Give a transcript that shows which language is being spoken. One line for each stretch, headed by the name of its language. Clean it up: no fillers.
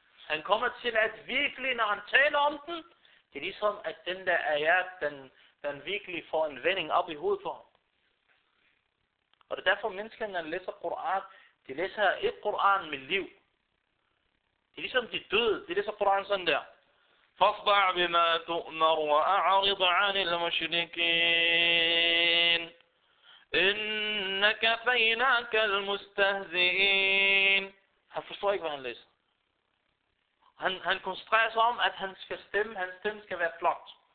Danish: Han kommer til at virkelig, når han taler om den, det er ligesom, at den der ayat, den virkelig får en vending op i hovedet for ham. Og det er derfor, mennesker, når de læser Koran, de læser ikke Koran med liv. Det er ligesom, de døde. De læser Koran sådan der.
Arabic: فاصدع بما تؤمر وأعرض عن المشركين إنك فيناك المستهزئين.
Danish: Han forstår ikke, hvad han læser. Han koncentrerer sig om, at hans stemme, skal være flot.